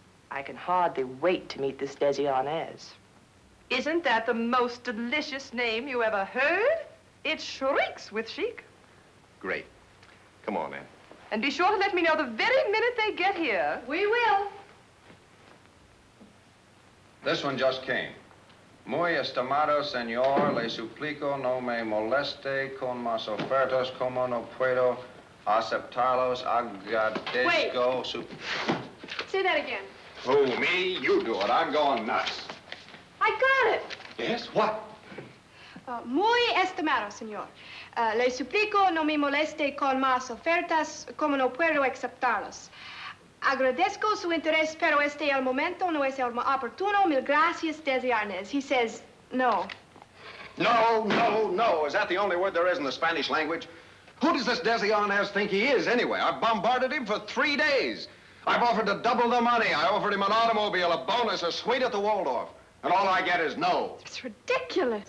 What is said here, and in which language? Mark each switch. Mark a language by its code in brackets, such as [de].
[en] I can hardly wait to meet this Desi Arnaz. Isn't that the most delicious name you ever heard? It shrieks with chic. Great. Come on in. And be sure to let me know the very minute they get here. We will. This one just came. [es] Muy estimado señor, le suplico no me moleste con más ofertas como no puedo aceptarlos. Agradezco su... [en] Say that again. Who, me? You do it. I'm going nuts. I got it. Yes? What? [es] Muy estimado, señor. Le suplico no me moleste con más ofertas como no puedo aceptarlos. Agradezco su interés, pero este el momento no es el oportuno. Mil gracias, [en] Desi Arnaz. He says no. No, no, no. Is that the only word there is in the Spanish language? Who does this Desi Arnaz think he is, anyway? I've bombarded him for 3 days. I've offered to double the money. I offered him an automobile, a bonus, a suite at the Waldorf. And all I get is no. It's ridiculous.